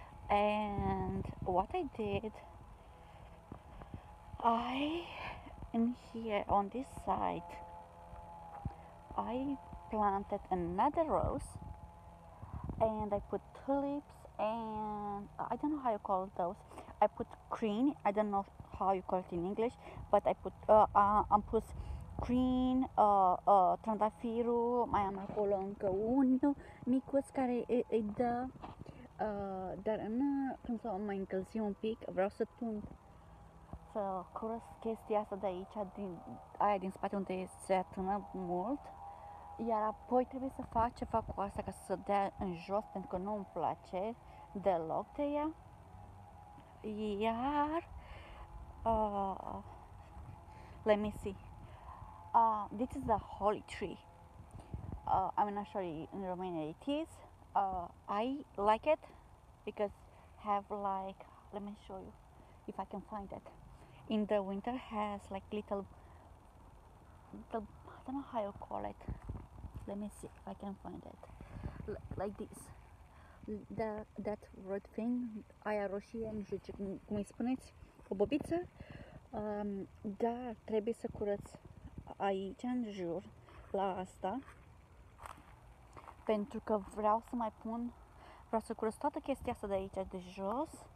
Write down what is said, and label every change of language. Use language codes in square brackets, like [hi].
[en] And what I did, I in here on this side I planted another rose. And I put tulips and I don't know how you call those. I put green, I don't know how you call it in English, but I put put green, [ro] trandafiru, mai am acolo încă un micuț care îi dă, dar nu, când s-o mai încălzi un pic, vreau să tund. Să curăț chestia asta de aici, aia din spate unde se atână mult. Iar apoi trebuie să fac ceva cu asta ca să dea în jos, pentru că nu îmi place deloc de ea. Iar [en] let me see. This is a holly tree. I'm not sure in Romania it is. I like it because have like, let me show you if I can find it. In the winter has like little, I don't know how you call it. Let me see if I can find it. Like this. That red thing, [ro] aia roșie, nu știu ce, cum îi spuneți, o bobiță. Dar trebuie să curăț aici în jur, la asta. Pentru că vreau să mai pun, vreau să curăț toată chestia asta de aici, de jos.